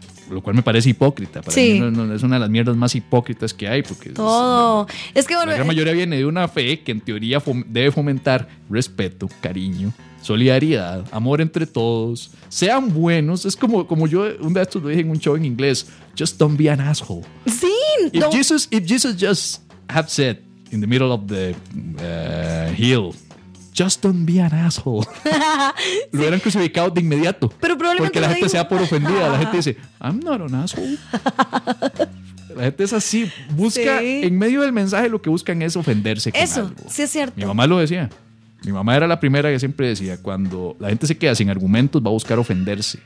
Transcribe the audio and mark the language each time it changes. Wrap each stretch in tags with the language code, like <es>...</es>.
<es>Lo cual me parece hipócrita. Para mí no, es una de las mierdas más hipócritas que hay. Porque todo. Es que, bueno, la mayoría viene de una fe que en teoría debe fomentar respeto, cariño, solidaridad, amor entre todos. Sean buenos. Es como yo un día esto lo dije en un show en inglés.</es> <en>Just don't be an asshole.</en> <es>Sí.</es> <en>If Jesus just have said in the middle of the hill, just don't be an asshole.</en> <es>Lo hubieran crucificado de inmediato. Pero probablemente porque la gente sea por ofendida. La gente dice,</es> <en>I'm not an asshole.</en> <es>La gente es así. Busca en medio del mensaje, lo que buscan es ofenderse. Eso, con sí es cierto. Mi mamá lo decía. Mi mamá era la primera que siempre decía, cuando la gente se queda sin argumentos, va a buscar ofenderse.</es>